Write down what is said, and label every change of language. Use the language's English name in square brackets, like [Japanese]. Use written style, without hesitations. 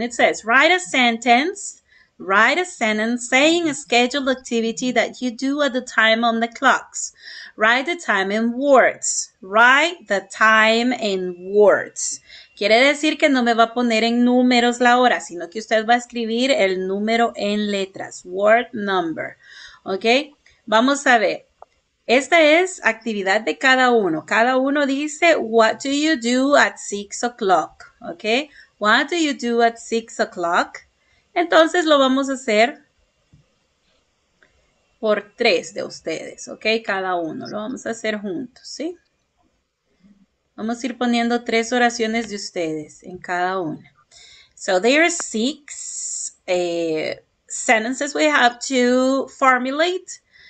[English] It says, write a sentence saying a scheduled activity that you do at the time on the clocks. Write the time in words. [Spanish] Quiere decir que no me va a poner en números la hora, sino que usted va a escribir el número en letras, [English] word number, [Spanish] ¿ok? Vamos a ver, esta es actividad de cada uno. Cada uno dice, [English] what do you do at 6 o'clock, ¿ok? What do you do at 6 o'clock? [Spanish] Entonces lo vamos a hacer por tres de ustedes, ¿ok? Cada uno, lo vamos a hacer juntos, ¿sí? Vamos a ir poniendo tres oraciones de ustedes en cada una. [English] So there are six sentences we have to formulate.